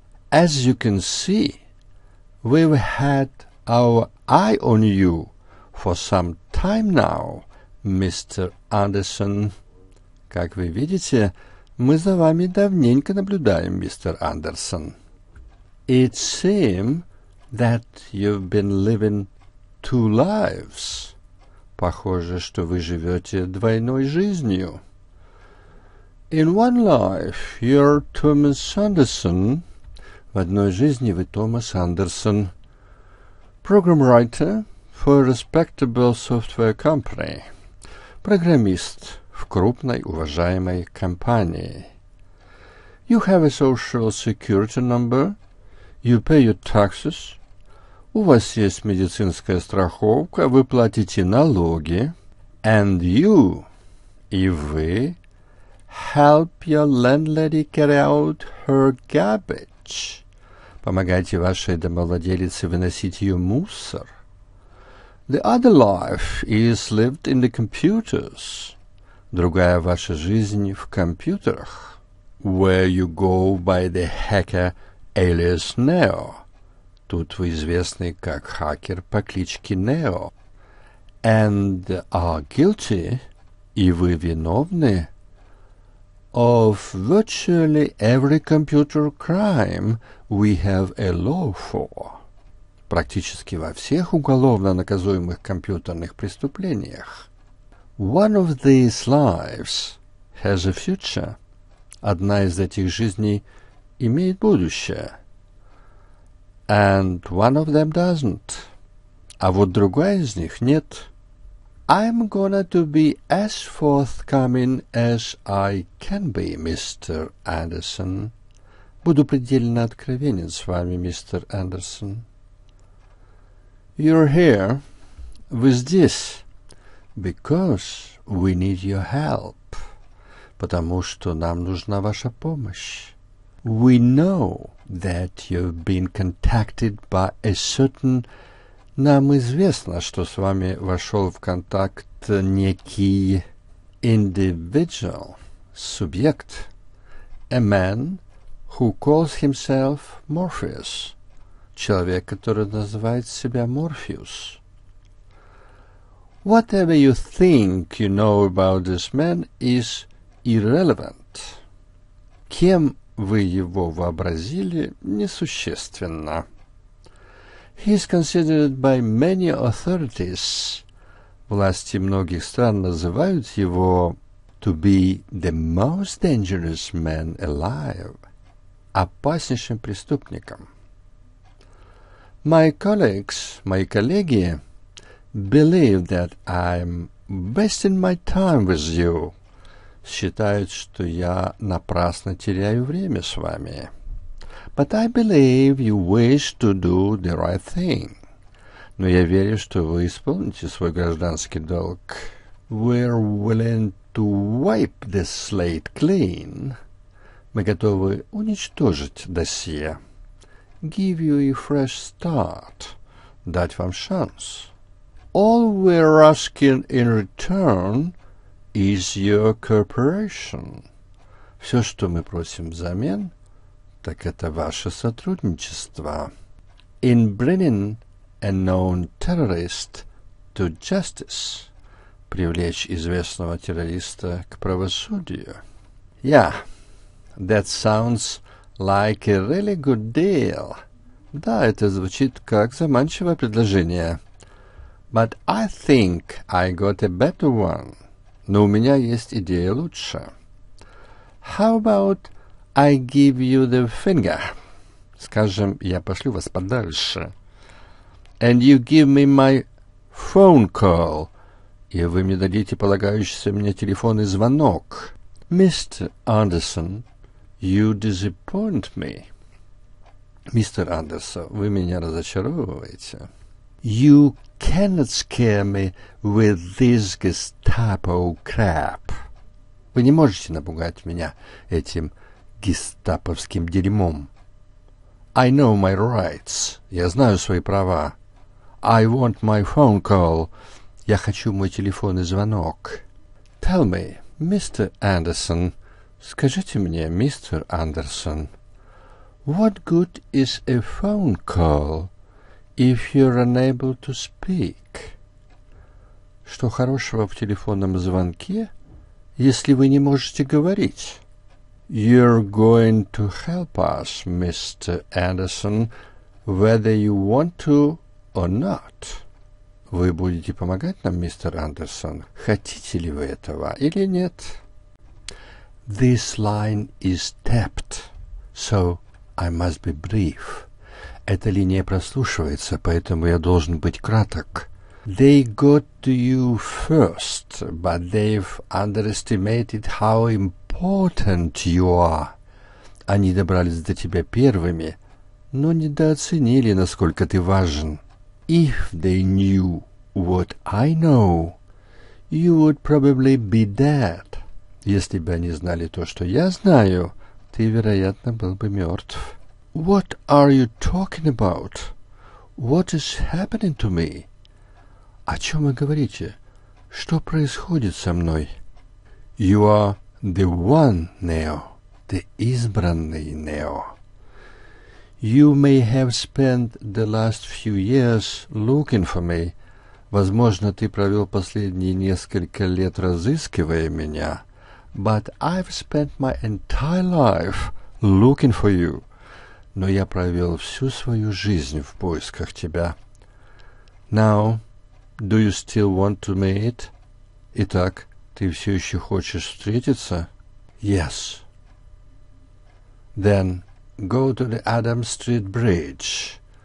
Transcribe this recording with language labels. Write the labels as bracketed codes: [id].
[en] As you can see, we've had our eye on you for some time now, Mr. Anderson. [ru] Как вы видите, мы за вами давненько наблюдаем, мистер Андерсон. [en] It seems that you've been living two lives. [ru] Похоже, что вы живете двойной жизнью. [en] In one life, you're Thomas Anderson. [ru] В одной жизни вы Томас Андерсон. [en] Program writer for a respectable software company. [ru] Программист в крупной уважаемой компании. [en] You have a social security number. You pay your taxes. [ru] У вас есть медицинская страховка, вы платите налоги. [en] And you, [ru] и вы, [en] help your landlady carry out her garbage. [ru] Помогайте вашей домовладелице выносить ее мусор. [en] The other life is lived in the computers. [ru] Другая ваша жизнь в компьютерах. [en] Where you go by the hacker alias Neo. [ru] Тут вы известны как хакер по кличке Нео. [en] And are guilty, [ru] и вы виновны, [en] of virtually every computer crime we have a law for. [ru] Практически во всех уголовно наказуемых компьютерных преступлениях. [en] One of these lives has a future. [ru] Одна из этих жизней имеет будущее. [en] And one of them doesn't. [ru] А вот другая из них нет. [en] I'm gonna to be as forthcoming as I can be, Mr. Anderson. [ru] Буду предельно откровенен с вами, мистер Андерсон. [en] You're here with this because we need your help. [ru] Потому что нам нужна ваша помощь. [en] We know that you've been contacted by a certain... [ru] Нам известно, что с вами вошел в контакт некий [en] individual, [ru] субъект, [en] a man who calls himself Morpheus, [ru] человек, который называет себя Морфеус. [en] Whatever you think you know about this man is irrelevant. [ru] Кем вы его вообразили, несущественно. [en] He is considered by many authorities. [ru] Власти многих стран называют его [en] to be the most dangerous man alive. [ru] Опаснейшим преступником. [en] My colleagues, [ru] мои коллеги, [en] believe that I'm wasting my time with you. [ru] Считают, что я напрасно теряю время с вами. [en] But I believe you wish to do the right thing. [ru] Но я верю, что вы исполните свой гражданский долг. [en] We're willing to wipe the slate clean. [ru] Мы готовы уничтожить досье. [en] Give you a fresh start. [ru] Дать вам шанс. [en] All we're asking in return is your cooperation. [ru] Все, что мы просим взамен, так это ваше сотрудничество. [en] In bringing a known terrorist to justice. [ru] Привлечь известного террориста к правосудию. [en] Yeah, that sounds like a really good deal. [ru] Да, это звучит как заманчивое предложение. [en] But I think I got a better one. [ru] Но у меня есть идея лучше. [en] How about I give you the finger? [ru] Скажем, я пошлю вас подальше. [en] And you give me my phone call. [ru] И вы мне дадите полагающийся мне телефонный звонок. [en] Mr. Anderson, you disappoint me. [ru] Мистер Андерсон, вы меня разочаровываете. [en] You cannot scare me with this gestapo crap. [ru] Вы не можете напугать меня этим гестаповским дерьмом. [en] I know my rights. [ru] Я знаю свои права. [en] I want my phone call. [ru] Я хочу мой телефонный звонок. [en] Tell me, Mr. Anderson. [ru] Скажите мне, мистер Андерсон, [en] what good is a phone call if you're unable to speak? [ru] Что хорошего в телефонном звонке, если вы не можете говорить? [en] You're going to help us, Mr. Anderson, whether you want to or not. [ru] Вы будете помогать нам, мистер Андерсон, хотите ли вы этого или нет? [en] This line is tapped, so I must be brief. [ru] Эта линия прослушивается, поэтому я должен быть краток. [en] They got to you first, but they've underestimated how important you are. [ru] Они добрались до тебя первыми, но недооценили, насколько ты важен. [en] If they knew what I know, you would probably be dead. [ru] Если бы они знали то, что я знаю, ты, вероятно, был бы мертв. [en] What are you talking about? What is happening to me? [ru] О чем вы говорите? Что происходит со мной? [en] You are the one, Neo. [ru] Ты избранный, [en] Neo. You may have spent the last few years looking for me. [ru] Возможно, ты провел последние несколько лет, разыскивая меня. [en] But I've spent my entire life looking for you. [ru] Но я провел всю свою жизнь в поисках тебя. [en] Now, do you still want to meet? [ru] Итак, ты все еще хочешь встретиться? [en] Yes. Then, go to the Adam Street Bridge.